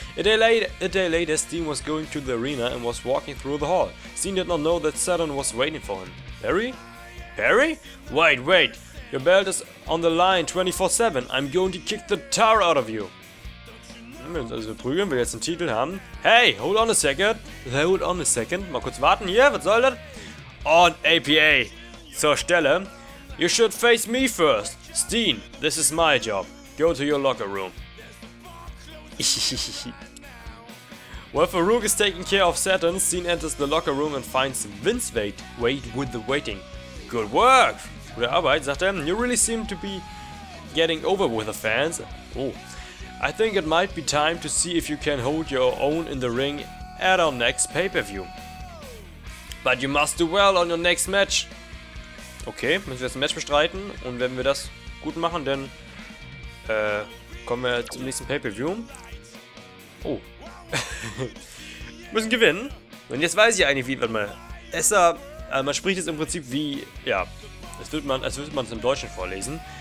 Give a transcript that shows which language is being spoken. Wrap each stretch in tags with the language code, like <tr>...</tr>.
<en>A day later, Steen was going to the arena and was walking through the hall. Steen did not know that Saturn was waiting for him. Perry? Perry? Wait. Your belt is on the line 24/7. I'm going to kick the tar out of you.</en> <de>Wir uns also verprügeln, wir jetzt einen Titel haben.</de> <en>Hey, hold on a second.</en> <de>Mal kurz warten hier, was soll das?</de> <en>On APA.</en> <de>Zur Stelle.</de> <en>You should face me first. Steen, this is my job. Go to your locker room. While Farouk is taking care of Saturn, Steen enters the locker room and finds Vince Wade with the waiting. Good work.</en> <de>Gute Arbeit, sagt er.</de> <en>You really seem to be getting over with the fans. Oh. I think it might be time to see if you can hold your own in the ring at our next pay-per-view. But you must do well on your next match.</en> <de>Okay, müssen wir jetzt ein Match bestreiten und wenn wir das gut machen, dann kommen wir zum nächsten Pay-per-view. Oh. Müssen gewinnen. Und jetzt weiß ich eigentlich, man spricht es im Prinzip wie, ja, als würde man es im Deutschen vorlesen.</de>